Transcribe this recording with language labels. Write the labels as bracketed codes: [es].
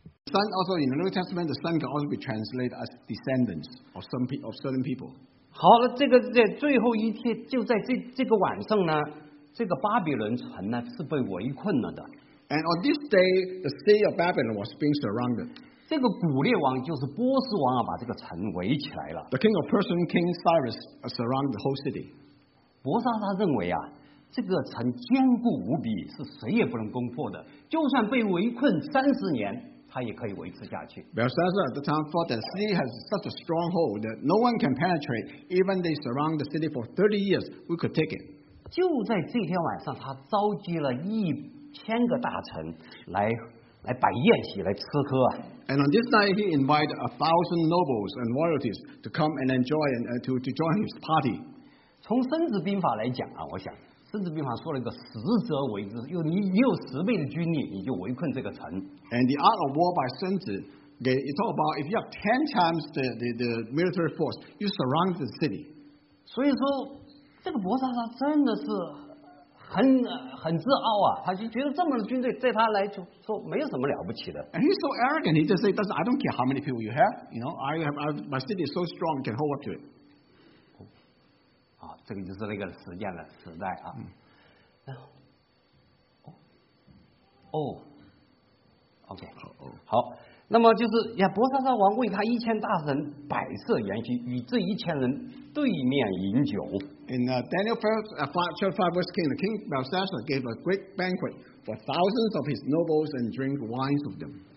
[en] Son also in the New Testament, the son can also be translated as descendants of some of certain people. [zh] 好，那这个在最后一天，就在这个晚上呢，这个巴比伦城呢是被围困了的。 [en] And on this day, the city of Babylon was being surrounded. [zh] 这个古列王就是波斯王啊，把这个城围起来了。 [en] The king of Persia, King Cyrus, surrounded the whole city. [zh] 伯沙撒认为啊，这个城坚固无比，是谁也不能攻破的。就算被围困三十年。他也可以维持下去。 [en] Belshazzar at the time thought that the city has such a stronghold that no one can penetrate. Even they surround the city for 30 years, we could take it. [zh] 就在这天晚上，他召集了1000个大臣来摆宴席，来吃喝。 [en] And on this night, he invited 1,000 nobles and royalties to come and enjoy and to join his party. [zh] 从孙子兵法来讲啊，我想。孙子兵法说了一个十则围之，又你有十倍的军力，你就围困这个城。 [en] And the art of war by 孙子 okay, it talk about if you have 10 times the military force, you surround the city. [zh] 所以说，这个伯沙撒真的是很自傲啊，他就觉得这么多军队在他来说没有什么了不起的。 [en] And he's so arrogant, he just says, "I don't care how many people you have, you know, my city is so strong, can hold up to it." [zh] 这个就是那个时间的时代啊。 OK， 好，那么就是亚伯沙撒王为他1000大臣摆设筵席，与这1000人对面饮酒。 [en] In Daniel 5:15, the king Belshazzar gave a great banquet for thousands of his nobles and drank wines with them.